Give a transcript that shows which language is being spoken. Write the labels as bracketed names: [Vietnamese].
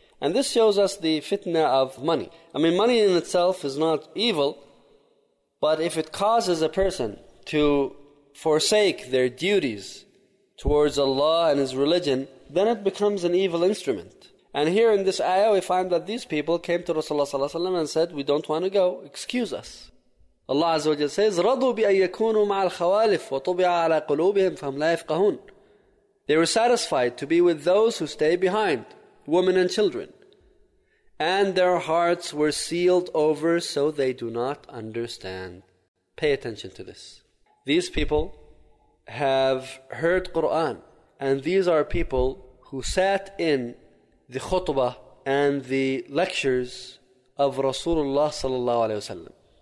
[English] And this shows us the fitna of money. I mean, money in itself is not evil, but if it causes a person to forsake their duties towards Allah and His religion, then it becomes an evil instrument. And here in this ayah we find that these people came to Rasulullah ﷺ and said, we don't want to go, excuse us. Allah Azza wa Jalla says, [Arabic] رَضُوا بِأَن يَكُونُوا مَعَ الْخَوَالِفِ وَطُبِعَ عَلَى قُلُوبِهِمْ فَهُمْ لَا يَفْقَهُونَ. [English] They were satisfied to be with those who stay behind, women and children, and their hearts were sealed over so they do not understand. Pay attention to this. These people have heard Quran, and these are people who sat in the khutbah and the lectures of Rasulullah sallallahu alaihi wasallam.